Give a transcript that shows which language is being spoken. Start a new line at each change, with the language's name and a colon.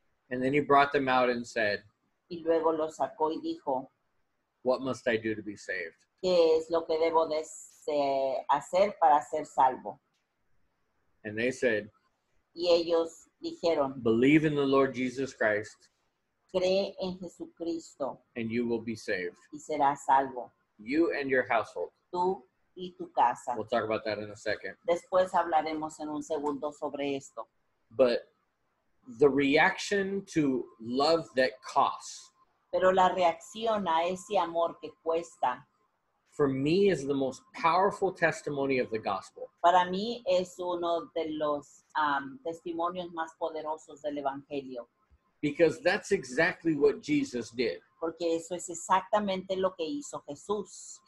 English: And then he brought them out and said,
Spanish: y luego lo sacó y dijo,
English: what must I do to be saved?
Spanish: ¿Qué es lo que debo de hacer para ser salvo?
English: And they said,
Spanish: y ellos dijeron,
English: believe in the Lord Jesus Christ.
Spanish: Cree en Jesucristo.
English: And you will be saved.
Spanish: Y serás salvo.
English: You and your household.
Spanish: Tú y tu casa.
English: We'll talk about that in a second.
Spanish: Después hablaremos en un segundo sobre esto.
English: But the reaction to love that costs.
Spanish: Pero la reacción a ese amor que cuesta.
English: For me is the most powerful testimony of the gospel.
Spanish: Para mí es uno de los testimonios más poderosos del evangelio.
English: Because that's exactly what Jesus did.
Spanish: Porque eso es exactamente lo que hizo Jesús.